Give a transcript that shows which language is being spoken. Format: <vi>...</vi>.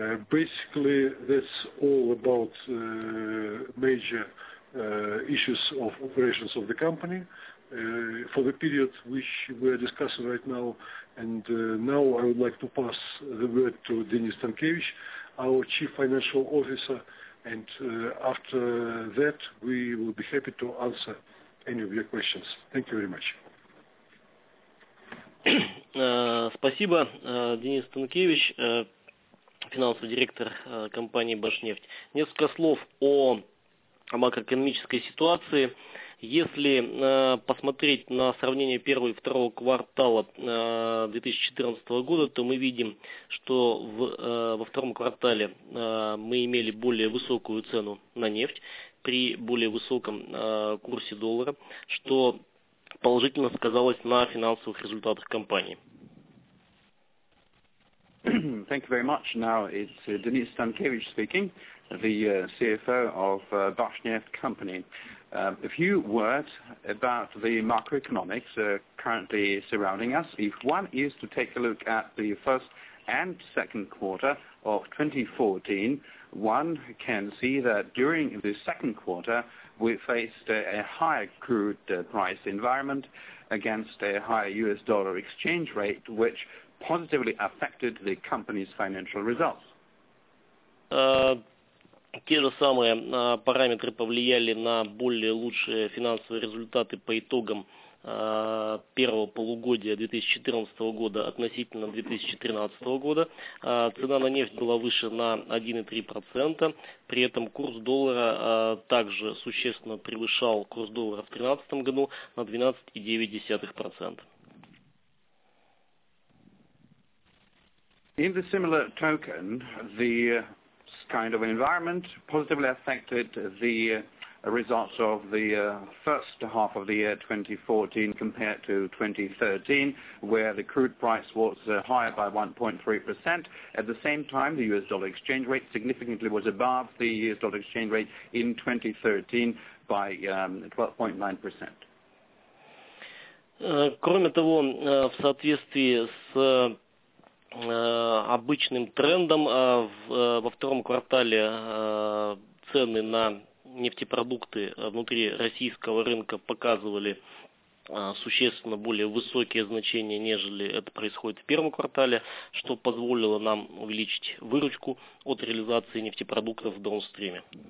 <en>Basically, that's all about major issues of operations of the company for the period which we are discussing right now. And now I would like to pass the word to Denis Stankevich, our Chief Financial Officer. And after that, we will be happy to answer any of your questions. Thank you very much.</en> <ru>Спасибо, Денис Станкевич. Финансовый директор компании «Башнефть». Несколько слов о макроэкономической ситуации. Если посмотреть на сравнение первого и второго квартала 2014 года, то мы видим, что во втором квартале мы имели более высокую цену на нефть при более высоком курсе доллара, что положительно сказалось на финансовых результатах компании.</ru> <en>Thank you very much. Now it's Denis Stankevich speaking, the CFO of Башнефть Company. A few words about the macroeconomics currently surrounding us. If one is to take a look at the first and second quarter of 2014, one can see that during the second quarter we faced a higher crude price environment against a higher US dollar exchange rate, which positively affected the company's financial results.</en> <ru>Те же самые параметры повлияли на более лучшие финансовые результаты по итогам первого полугодия 2014 года относительно 2013 года. Цена на нефть была выше на 1,3%. При этом курс доллара также существенно превышал курс доллара в 2013 году на 12,9%.</ru> <en>In the similar token, the kind of environment positively affected the results of the first half of the year 2014 compared to 2013, where the crude price was higher by 1.3%. At the same time, the US dollar exchange rate significantly was above the US dollar exchange rate in 2013 by 12.9%.</en> <ru>Кроме того, в соответствии с обычным трендом во втором квартале цены на нефтепродукты внутри российского рынка показывали существенно более высокие значения, нежели это происходит в первом квартале, что позволило нам увеличить выручку от реализации нефтепродуктов в даунстриме.</ru>